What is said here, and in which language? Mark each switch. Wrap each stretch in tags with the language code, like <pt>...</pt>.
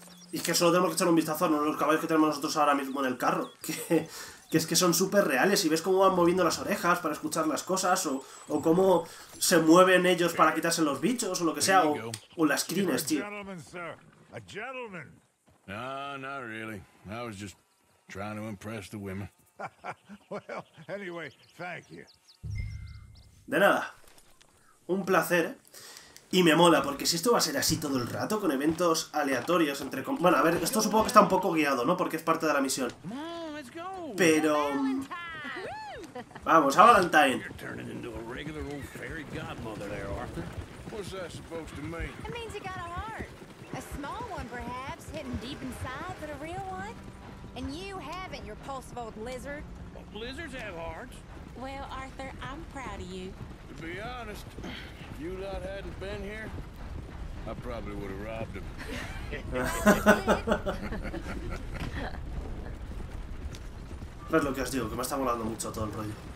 <es>Y es que solo tenemos que echar un vistazo a uno de los caballos que tenemos nosotros ahora mismo en el carro. Que que es que son súper reales, y ves cómo van moviendo las orejas para escuchar las cosas, o cómo se mueven ellos para quitarse los bichos, o lo que sea, o las crines, tío. No, no realmente.</es> <en>I was just trying to impress the women. Well, anyway, thank you.</en> <es>De nada. Un placer, ¿eh? Y me mola, porque si esto va a ser así todo el rato, con eventos aleatorios entre... Bueno, a ver, esto supongo que está un poco guiado, ¿no? Porque es parte de la misión. Pero... Vamos, a Valentine.</es> <en>You're turning into a regular old fairy godmother there, Arthur. What's that supposed to mean? It means you got a heart. A small one, perhaps, hidden deep inside, but a real one. And you have it, your pulse of old lizard. Well, lizards have hearts. Well, Arthur, I'm proud of you. To be honest, if you lot hadn't been here, I probably would have robbed him.</en> <es>Pues lo que os digo, que me está molando mucho todo el rollo.</es>